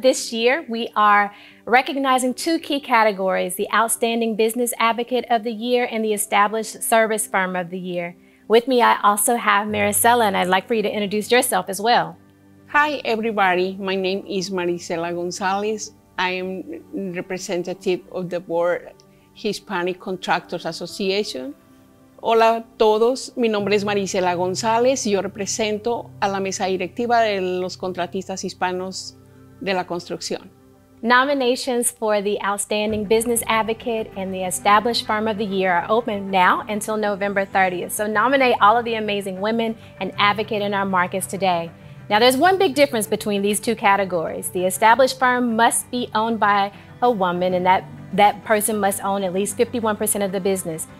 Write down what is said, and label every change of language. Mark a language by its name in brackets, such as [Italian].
[English] This year, we are recognizing two key categories, the Outstanding Business Advocate of the Year and the Established Service Firm of the Year. With me, I also have Maricela, and I'd like for you to introduce yourself as well. Hi, everybody. My name is Maricela Gonzalez. I am representative of the World Hispanic Contractors Association. [Spanish] Hola a todos, mi nombre es Maricela González, yo represento a la mesa directiva de los contratistas hispanos de la construcción. [English] Nominations for the Outstanding Business Advocate and the Established Firm of the Year are open now until November 30th. So nominate all of the amazing women and advocate in our markets today. Now there's one big difference between these two categories. The established firm must be owned by a woman, and that person must own at least 51% of the business.